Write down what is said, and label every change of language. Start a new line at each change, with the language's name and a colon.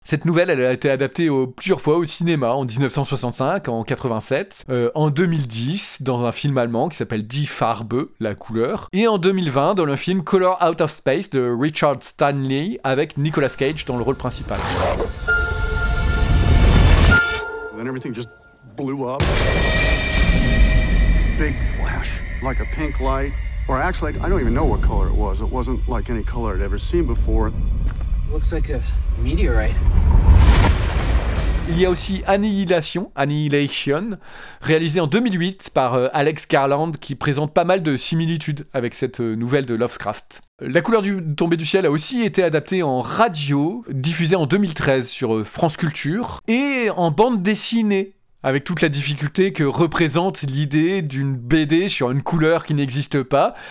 French: Cette nouvelle, elle a été adaptée plusieurs fois au cinéma, en 1965, en 87, en 2010, dans un film allemand qui s'appelle Die Farbe, la couleur, et en 2020, dans le film Color Out of Space de Richard Stanley, avec Nicolas Cage dans le rôle principal.
English: And then everything just blew up. Big flash, like a pink light. Or actually, I don't even know what color it was. It wasn't like any color I'd ever seen before. It looks like a meteorite.
French: Il y a aussi Annihilation, réalisé en 2008 par Alex Garland, qui présente pas mal de similitudes avec cette nouvelle de Lovecraft. La couleur du tombé du ciel a aussi été adaptée en radio, diffusée en 2013 sur France Culture, et en bande dessinée, avec toute la difficulté que représente l'idée d'une BD sur une couleur qui n'existe pas.